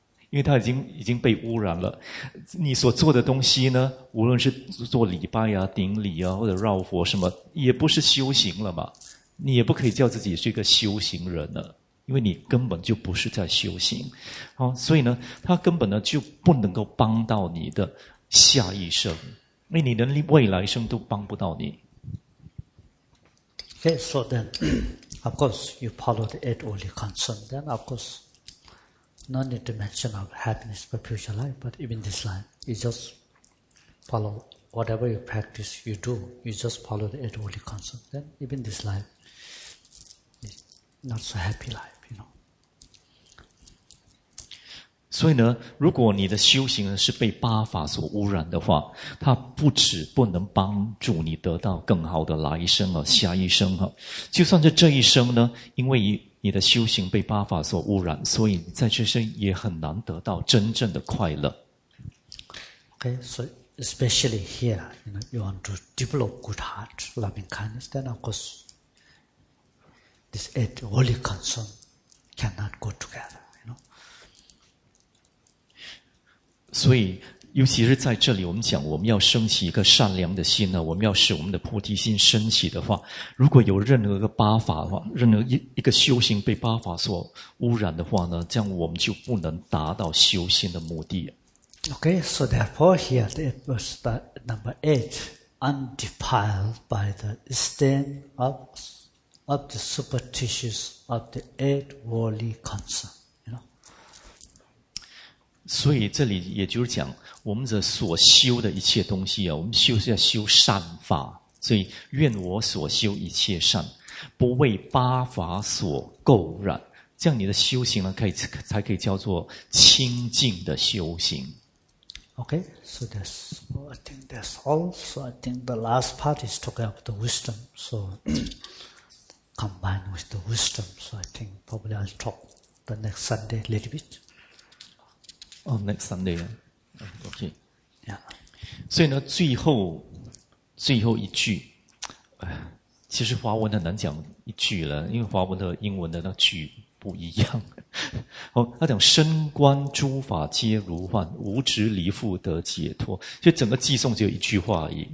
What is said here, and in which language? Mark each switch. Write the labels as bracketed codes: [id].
[zh] 因为它已经被污染了。你所做的东西呢，无论是做礼拜啊、顶礼啊，或者绕佛什么，也不是修行了嘛。你也不可以叫自己是一个修行人了，因为你根本就不是在修行。好，所以呢，它根本呢就不能够帮到你的下一生，因为你的未来生都帮不到你。 [en] Okay, so then, of course, you follow the eight worldly concerns. Then, of course. No need to mention of happiness for future life, but even this life, you just follow whatever you practice, you do, you just follow the eight worldly concerns. Then even this life is not so happy life, you know. [zh] 所以呢，如果你的修行是被八法所污染的话，它不止不能帮助你得到更好的来生下一生，就算是这一生呢，因为你的修行被八法所污染，所以在这生也很难得到真正的快乐。 [en] Okay, so especially here, you know, you want to develop good heart, loving kindness, then of course, this eight worldly concern cannot go together, you know. [zh] 所以尤其是在这里我们讲我们要升起一个善良的心呢，我们要使我们的菩提心升起的话，如果有任何一个八法的话，任何一个修行被八法所污染的话呢，这样我们就不能达到修心的目的。 [en] Okay, so therefore here it was the number eight, undefiled by the stain of the superstitious of the eight worldly concern, you know? [zh] 所以这里也就是讲我们所修的一切东西我们修是要修善法，所以愿我所修一切善，不为八法所垢染，这样你的修行呢才可以叫做清净的修行。 [en] Okay, so that's, well, I think that's all. So I think the last part is talking about the wisdom. So combined with the wisdom, so I think probably I'll talk the next Sunday a little bit. Oh, next Sunday, yeah. Okay. Yeah. [zh] 所以呢最后一句，其实华文很难讲一句了，因为华文和英文的那句不一样。他讲身观诸法皆如幻，无执离缚得解脱，就整个偈颂只有一句话而已。